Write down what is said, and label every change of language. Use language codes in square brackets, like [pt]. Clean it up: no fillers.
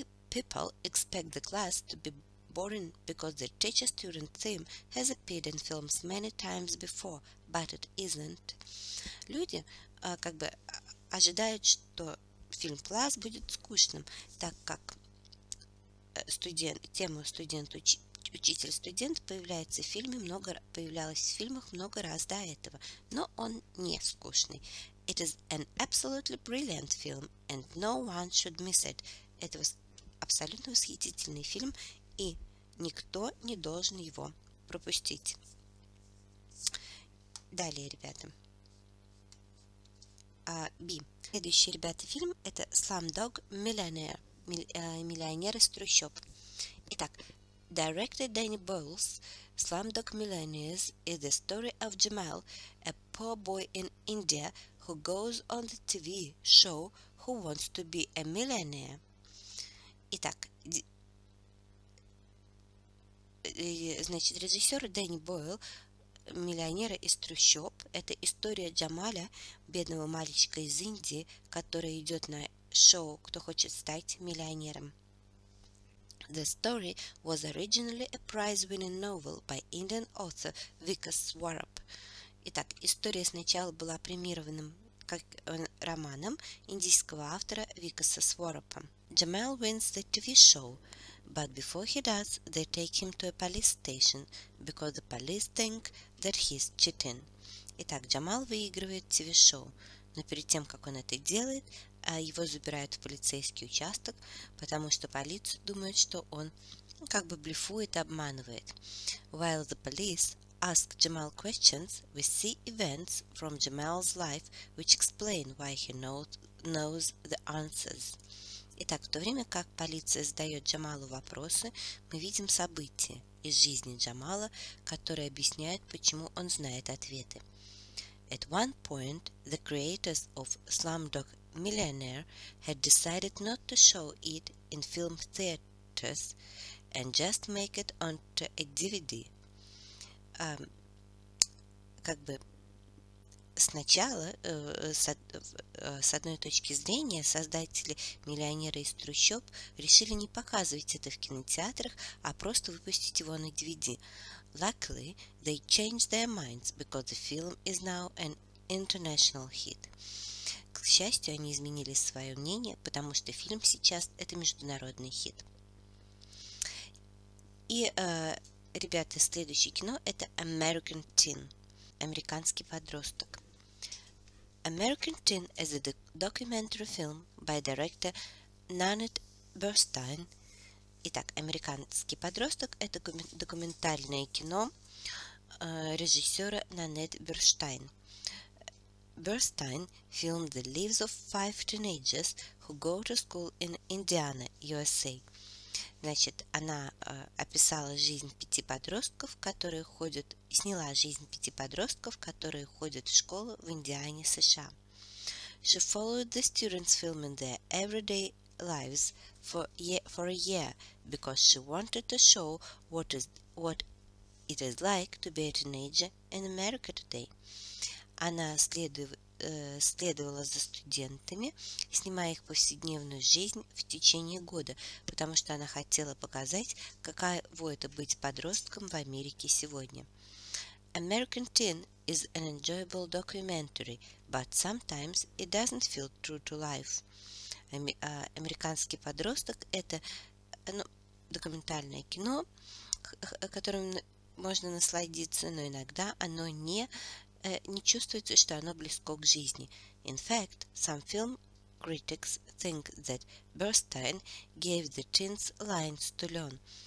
[en] People expect the class to be boring because the teacher-student theme has appeared in films many times before, but it isn't. [ru] Люди как бы ожидают, что фильм класс будет скучным, так как учитель-студент появлялась в фильмах много раз до этого, но он не скучный. [en] It is an absolutely brilliant film, and no one should miss it. [ru] Это абсолютно восхитительный фильм, и никто не должен его пропустить. Далее, ребята. B. Следующий, ребята, фильм – это «Slumdog Millionaire», «Миллионер из трущоб». [en] Итак, directed Danny Boyle's «Slumdog Millionaires» is the story of Jamal, a poor boy in India, who goes on the TV show Who Wants to be a Millionaire. [ru] Итак, значит, режиссер Дэнни Бойл, «Миллионера из трущоб», это история Джамаля, бедного мальчика из Индии, который идет на шоу «Кто хочет стать миллионером». [en] The story was originally a prize-winning novel by Indian author Vikas Swarup. [ru] Итак, история сначала была премированным как романом индийского автора Викаса Сварупа. [en] Jamal wins the TV show, but before he does, they take him to a police station because the police think that he's cheating. [ru] Итак, Jamal выигрывает TV-шоу, но перед тем, как он это делает, его забирают в полицейский участок, потому что полиция думает, что он как бы блефует, обманывает. [en] While the police ask Jamal questions, we see events from Jamal's life, which explain why he knows the answers. [ru] Итак, в то время как полиция задает Джамалу вопросы, мы видим события из жизни Джамала, которые объясняют, почему он знает ответы. [en] At one point, the creators of Slumdog Millionaire had decided not to show it in film theaters and just make it onto a DVD. [ru] Как бы сначала, с одной точки зрения, создатели «Миллионера из трущоб» решили не показывать это в кинотеатрах, а просто выпустить его на DVD. [en] Luckily, they changed their minds, because the film is now an international hit. [ru] К счастью, они изменили свое мнение, потому что фильм сейчас – это международный хит. И, ребята, следующее кино – это «American Teen» – «Американский подросток». [en] «American Teen» – это documentary film by director Nanet Burstein. [ru] Итак, «Американский подросток» – это документальное кино режиссера Нанет Берштайн. [en] Burstein filmed the lives of five teenagers who go to school in Indiana, USA. [ru] Значит, она описала жизнь пяти подростков, которые ходят, сняла жизнь пяти подростков, которые ходят в школу в Индиане, США. [en] She followed the students filming their everyday lives for a year because she wanted to show what it is like to be a teenager in America today. [ru] Она следовала за студентами, снимая их повседневную жизнь в течение года, потому что она хотела показать, каково это быть подростком в Америке сегодня. [en] American Teen is an enjoyable documentary, but sometimes it doesn't feel true to life. [ru] Американский подросток – это документальное кино, которым можно насладиться, но иногда оно не чувствуется, что оно близко к жизни. [en] In fact, some film critics think that Burstein gave the teens lines to learn.